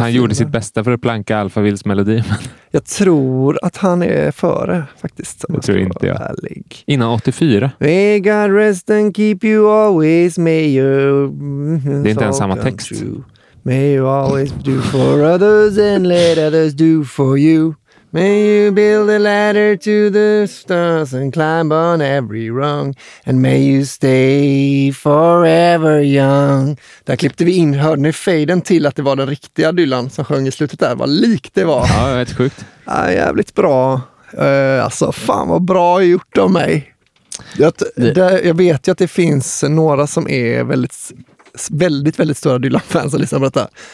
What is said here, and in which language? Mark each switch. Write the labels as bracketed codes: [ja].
[sv] Han gjorde sitt bästa för att planka Alphavilles melodi. Jag tror att han är före faktiskt. Det tror inte jag. Ärlig. Innan 84. [en] May God rest and keep you always. May you. [sv] Det är inte ens samma text. [en] May you always do for others and let others do for you. May you build a ladder to the stars and climb on every rung. And may you stay forever young. [sv] Där klippte vi in, hörde ni faden till att det var den riktiga Dylan som sjöng i slutet där. Vad lik det var. Ja, helt sjukt. Ja, jävligt bra. Alltså, fan vad bra gjort av mig. Jag vet ju att det finns några som är väldigt, väldigt, väldigt stora Dylan-fans och lyssnar på detta.